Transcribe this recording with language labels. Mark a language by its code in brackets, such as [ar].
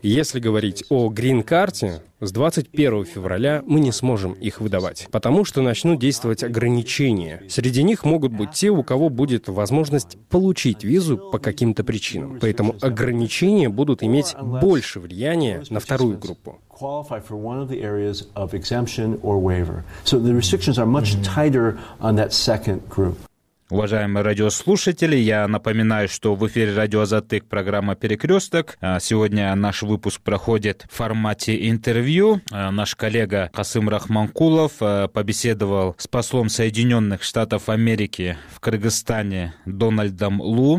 [ru] Если говорить о грин-карте, с 21 февраля мы не сможем их выдавать, потому что начнут действовать ограничения. Среди них могут быть те, у кого будет возможность получить визу по каким-то причинам. Поэтому ограничения будут иметь больше влияния на вторую группу. [en] Qualify for one of the areas of exemption or waiver. So the restrictions are much tighter on that second group. [ru] Уважаемые радиослушатели, я напоминаю, что в эфире радио «Затык» программа «Перекресток». Сегодня наш выпуск проходит в формате интервью. Наш коллега Касым Рахманкулов побеседовал с послом Соединенных Штатов Америки в Кыргызстане Дональдом Лу.